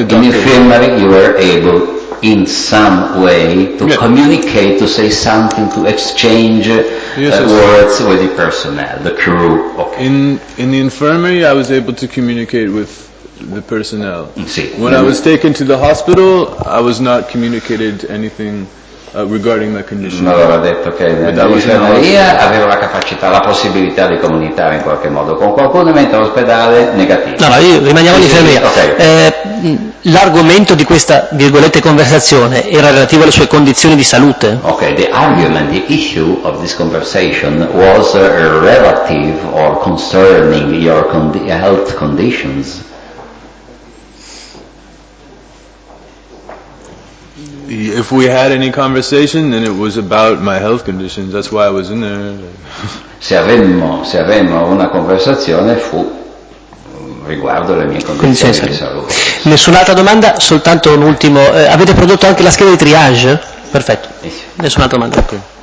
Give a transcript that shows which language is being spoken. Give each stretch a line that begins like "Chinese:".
English: In the infirmary you were able in some way to communicate, to say something, to exchange words with the personnel, the crew. Okay. In the infirmary I was able to communicate with the personnel.
Italian: Sì.
English: When I was taken to the hospital I was not communicated anything regarding my condition.
Italian: Allora ha detto che l'infermeria aveva la capacità, la possibilità di comunicare in qualche modo con qualcuno, mentre all'ospedale negativo. No, rimaniamo in infermeria. L'argomento di questa virgolette conversazione era relativo alle sue condizioni di salute.
English: Ok, the argument, the issue of this conversation was relative or concerning your health conditions. If we had any conversation, then it was about my health conditions. That's why I was in there.
Italian: Se avemmo una conversazione, fu riguardo le mie condizioni di salute. Nessun'altra domanda, soltanto un ultimo. Avete prodotto anche la scheda di triage? Perfetto. Nessun'altra domanda. Okay.